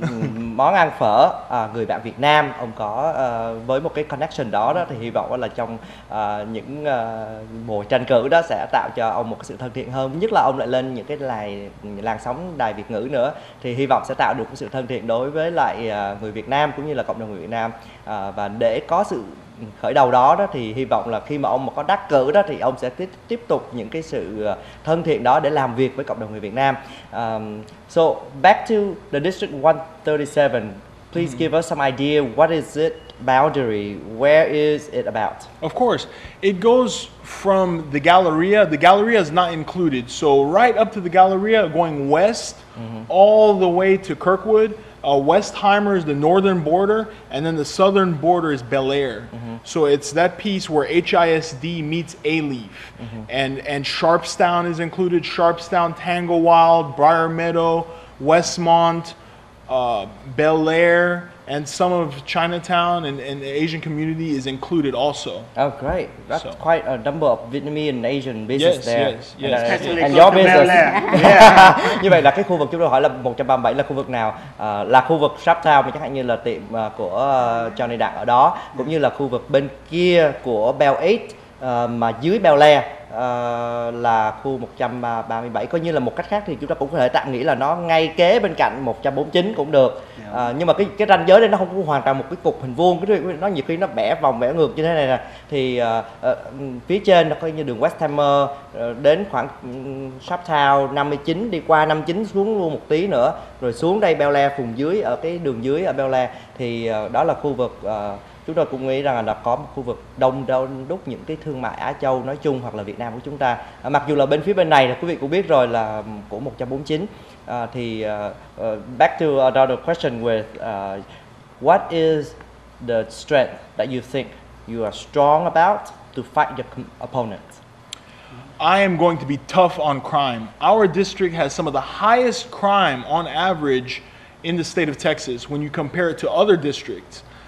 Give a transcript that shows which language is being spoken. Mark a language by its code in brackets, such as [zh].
[vi] món ăn phở, người bạn Việt Nam ông có với một cái connection đó đó, thì hy vọng là trong những mùa tranh cử đó sẽ tạo cho ông một cái sự thân thiện hơn, nhất là ông lại lên những cái làn sóng đài Việt ngữ nữa, thì hy vọng sẽ tạo được một sự thân thiện đối với lại người Việt Nam cũng như là cộng đồng người Việt Nam. Và để có sự khởi đầu đó đó, thì hy vọng là khi mà ông mà có đắc cử đó thì ông sẽ tiếp tục những cái sự thân thiện đó để làm việc với cộng đồng người Việt Nam. [en] So back to the district 137, please give us some idea, what is it boundary, where is it about? Of course, it goes from the Galleria. The Galleria is not included, so right up to the Galleria, going west, all the way to Kirkwood. Westheimer is the northern border, and then the southern border is Bel Air. So it's that piece where HISD meets A-Leaf. And Sharpstown is included. Sharpstown, Tanglewild, Briar Meadow, Westmont, Bel Air, and some of Chinatown and the Asian community is included also. Oh, great. That's so. Quite a number of Vietnamese and Asian business yes, there. Yes. And your business. [vi] Như vậy là cái khu vực chúng tôi hỏi là 137 là khu vực nào? Là khu vực Sharptown, chẳng hạn như là tiệm của Johnny Đạt ở đó, cũng như là khu vực bên kia của Bell 8, mà dưới Bel Air là khu 137. Coi như là một cách khác thì chúng ta cũng có thể tạm nghĩ là nó ngay kế bên cạnh 149 cũng được. Nhưng mà cái ranh giới đây nó không có hoàn toàn một cái cục hình vuông, nó nhiều khi nó bẻ vòng bẻ ngược như thế này nè. Thì phía trên nó coi như đường Westheimer đến khoảng Sharptown 59, đi qua 59 xuống luôn một tí nữa, rồi xuống đây Bel Air vùng dưới, ở cái đường dưới ở Bel Air. Thì đó là khu vực chúng tôi cũng nghĩ rằng là có một khu vực đông đúc những cái thương mại Á Châu nói chung hoặc là Việt Nam của chúng ta. Mặc dù là bên phía bên này là quý vị cũng biết rồi là của 149. [en] Thì back to another question with what is the strength that you think you are strong about to fight your opponents? I am going to be tough on crime. Our district has some of the highest crime on average in the state of Texas when you compare it to other districts.